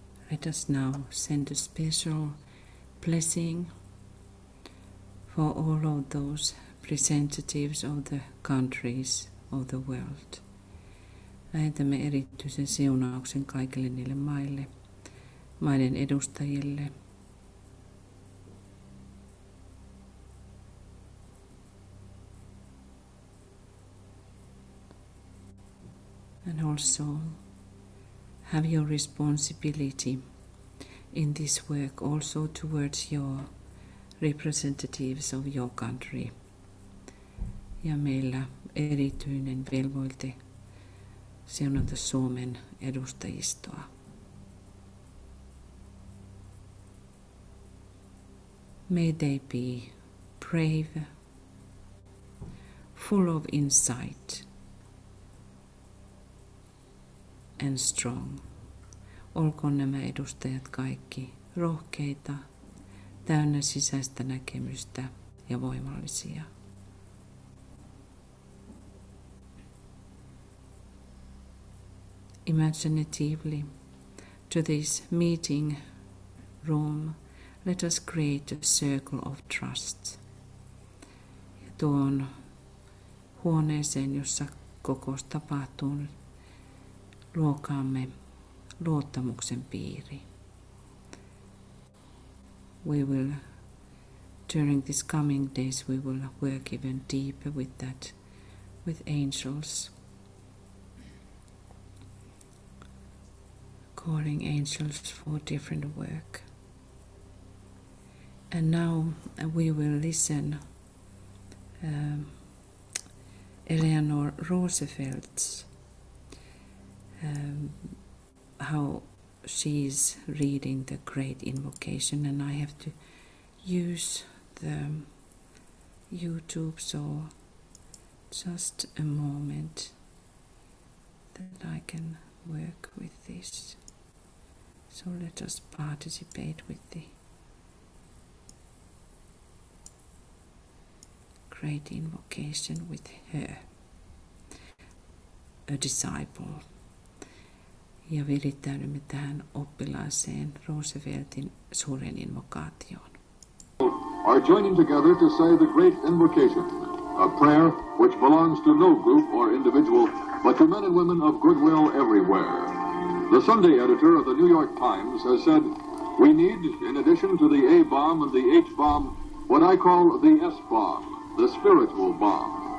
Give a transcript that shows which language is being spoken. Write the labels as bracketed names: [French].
[English] Let us now send a special blessing for all of those representatives of the countries of the world. [Finnish] Lähetämme erityisen siunauksen kaikille niille maille, maiden edustajille. [English] And also have your responsibility in this work also towards your representatives of your country. [Finnish] Ja meillä erityinen velvoite siunata Suomen edustajistoa. [English] May they be brave, full of insight, and strong. [Finnish] Olkoon nämä edustajat kaikki rohkeita, täynnä sisäistä näkemystä ja voimallisia. [English] Imaginatively, to this meeting room, let us create a circle of trust. [Finnish] Ja tuon huoneeseen, jossa kokous tapahtuu, luokaamme luottamuksen piiri. [English] We will, during these coming days, we will work even deeper with that, with angels. Calling angels for different work. And now we will listen Eleanor Roosevelt's how she's reading the Great Invocation, and I have to use the YouTube, so just a moment that I can work with this. So let us participate with the Great Invocation with her, a disciple. [Finnish] Ja virittäydymme tähän oppilaaseen Rooseveltin suuren invokaation. [English] Are joining together to say the great invocation, a prayer which belongs to no group or individual, but to men and women of goodwill everywhere. The Sunday editor of the New York Times has said, we need, in addition to the A-bomb and the H-bomb, what I call the S-bomb, the spiritual bomb.